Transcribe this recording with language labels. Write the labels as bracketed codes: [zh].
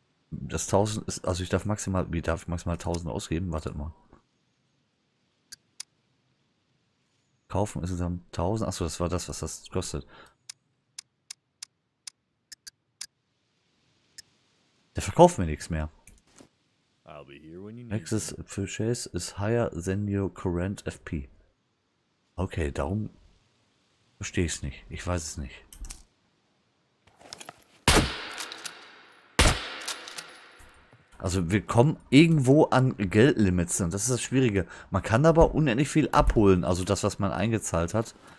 [de] Das 1000 ist, also ich darf maximal, wie darf ich maximal 1000 ausgeben? Wartet mal. Kaufen ist insgesamt 1000. Achso, das war das, was das kostet. Der verkauft mir nichts mehr. [en] Next purchase is higher than your current FP. [de] Okay, darum verstehe ich es nicht. Ich weiß es nicht. Also wir kommen irgendwo an Geldlimits und das ist das Schwierige. Man kann aber unendlich viel abholen, also das, was man eingezahlt hat.